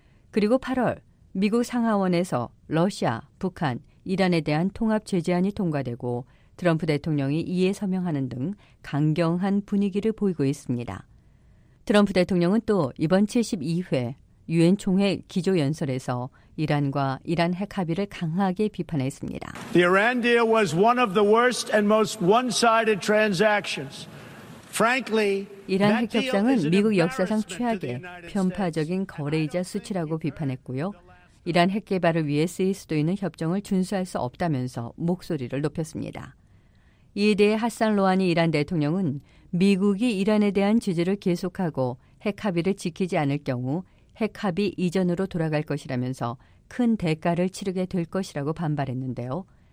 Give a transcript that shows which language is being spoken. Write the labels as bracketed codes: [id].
[ko] 그리고 8월 미국 상하원에서 러시아, 북한, 이란에 대한 통합 제재안이 통과되고 트럼프 대통령이 이에 서명하는 등 강경한 분위기를 보이고 있습니다. 트럼프 대통령은 또 이번 72회 유엔 총회 기조 연설에서 이란과 이란 핵 합의를 강하게 비판했습니다. [en] The Iran deal was one of the worst and most one-sided transactions. Frankly, [ko] 이란 핵 협상은 미국 역사상 최악의 편파적인 거래이자 수치라고 비판했고요. 이란 핵 개발을 위해 쓰일 수도 있는 협정을 준수할 수 없다면서 목소리를 높였습니다. 이에 대해 하산 로하니 이란 대통령은 미국이 이란에 대한 제재를 계속하고 핵 합의를 지키지 않을 경우 핵 합의 이전으로 돌아갈 것이라면서 큰 대가를 치르게 될 것이라고 반발했는데요.